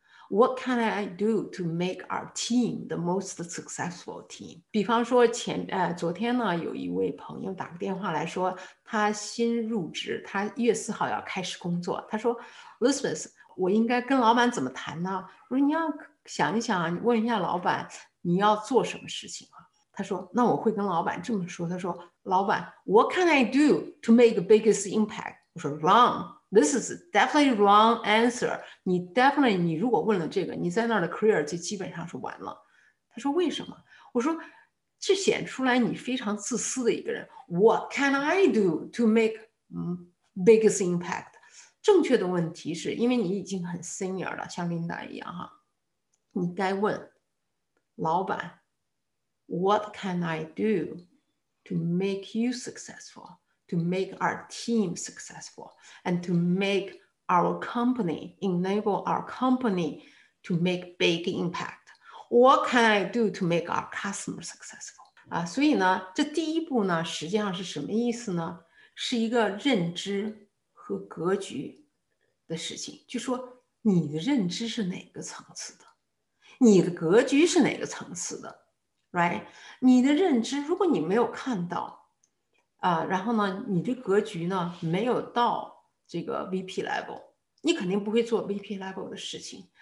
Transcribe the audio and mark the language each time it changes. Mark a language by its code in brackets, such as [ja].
[en] What can I do to make our team the most successful team? [zh] 比方说昨天呢有一位朋友打个电话来说他新入职，他1月4号要开始工作，他说 Elizabeth, 我应该跟老板怎么谈呢？我说你要想一想，你问一下老板你要做什么事情。他说那我会跟老板这么说，他说老板 [en] What can I do to make the biggest impact? [zh] 我说 [en] wrong, this is definitely wrong answer. [zh] 你如果问了这个，你在那儿的 career 就基本上是完了。他说为什么？我说这显出来你非常自私的一个人。 [en] What can I do to make biggest impact? [zh] 正确的问题是因为你已经很 senior 了，像 Linda 一样哈，你该问老板 [en] What can I do to make you successful? to make our team successful and to make our company, enable our company to make big impact. What can I do to make our customer successful? [zh] 所以呢，这第一步呢，实际上是什么意思呢？是一个认知和格局的事情，就说你的认知是哪个层次的，你的格局是哪个层次的 ，right？你的认知，如果你没有看到，然后呢，你的格局呢没有到这个 VP level， 你肯定不会做 VP level 的事情。